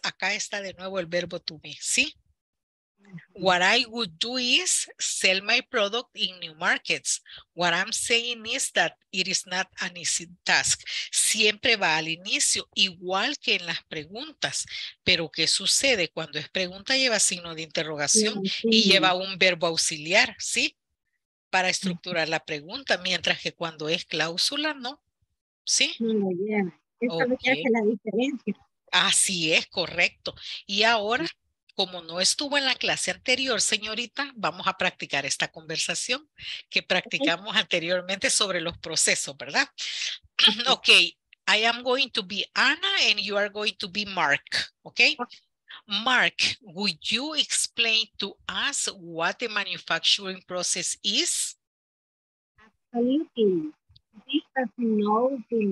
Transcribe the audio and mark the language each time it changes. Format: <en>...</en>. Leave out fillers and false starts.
<es>Acá está de nuevo el verbo to be, ¿sí?</es> <en>What I would do is sell my product in new markets. What I'm saying is that it is not an easy task.</en> <es>Siempre va al inicio, igual que en las preguntas. Pero ¿qué sucede? Cuando es pregunta lleva signo de interrogación y lleva un verbo auxiliar, ¿sí? Para estructurar la pregunta, mientras que cuando es cláusula, ¿no? ¿Sí? Muy bien. Esto okay. Me hace la diferencia. Así es, correcto. Y ahora, como no estuvo en la clase anterior, señorita, vamos a practicar esta conversación que practicamos anteriormente sobre los procesos, ¿verdad?</es> <en>Ok, I am going to be Anna and you are going to be Mark, ¿ok? Mark, would you explain to us what the manufacturing process is? Absolutely. This does not make all the sellers.</en>